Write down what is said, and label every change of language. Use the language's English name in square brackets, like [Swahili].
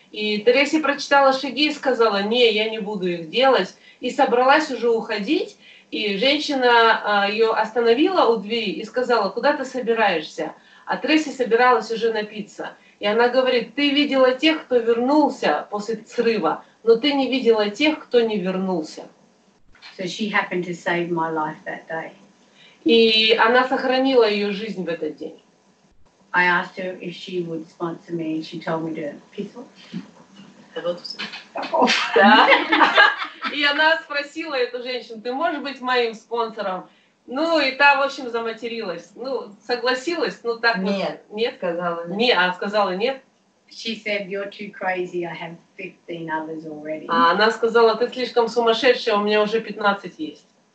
[Russian] И Тереси прочитала шаги и сказала, не, я не буду их делать, и собралась уже уходить. И женщина ее остановила у двери и сказала, куда ты собираешься? А Тереси собиралась уже напиться. И она говорит, ты видела тех, кто вернулся после срыва, но ты не видела тех, кто не вернулся. [English] So she happened to save my life that day. [Russian] И она сохранила ее жизнь в этот день. [English] I asked her if she would sponsor me, and she told me to piss off. [Russian] Да. И она спросила эту женщину, ты можешь быть моим спонсором? Ну, и та, в общем, заматерилась. Ну, согласилась, но так нет. Вот. Нет. Сказала нет. Не, а сказала нет. [English] She said, you're too crazy, I have 15 others already. [Russian] А она сказала, ты слишком сумасшедшая, у меня уже 15 есть.